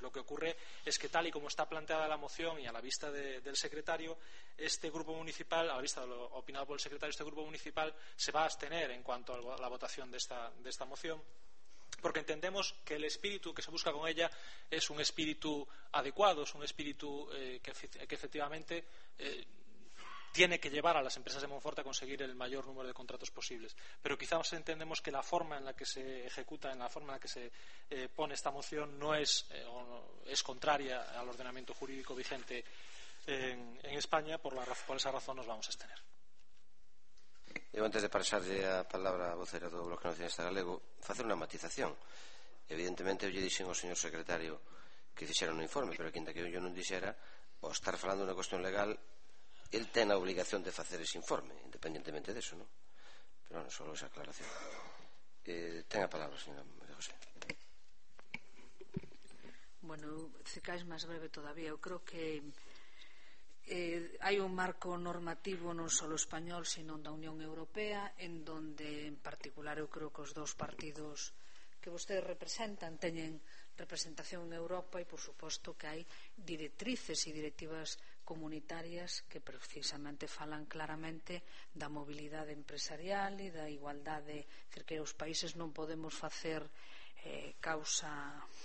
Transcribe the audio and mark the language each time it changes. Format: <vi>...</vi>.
<es>Lo que ocurre es que, tal y como está planteada la moción y a la vista del secretario, este grupo municipal, a la vista de lo opinado por el secretario, este grupo municipal se va a abstener en cuanto a la votación de esta moción, porque entendemos que el espíritu que se busca con ella es un espíritu adecuado, es un espíritu que efectivamente tiene que llevar a las empresas de Monforte a conseguir el mayor número de contratos posibles. Pero quizás entendemos que la forma en la que se ejecuta, en la forma en la que se pone esta moción, no es es contraria al ordenamiento jurídico vigente en España. Por esa razón nos vamos a abstener.</es> <gl>Eu, antes de pasarlle a palabra a vocera do Bloque Nacionalista Galego, facer unha matización. Evidentemente, eu lle dixen ao señor secretario que fixera un informe, pero quinta que eu non dixera, ao estar falando unha cuestión legal, el ten a obligación de facer ese informe, independentemente deso, non? Pero, bueno, solo esa aclaración. Ten a palabra, señora María José. Bueno, se cais máis breve todavía. Eu creo que hai un marco normativo non só español, senón da Unión Europea, en donde, en particular, eu creo que os dous partidos que vostedes representan teñen representación en Europa, e por suposto que hai directrices e directivas comunitarias que precisamente falan claramente da mobilidade empresarial e da igualdade. Creo que os países non podemos facer causa</gl>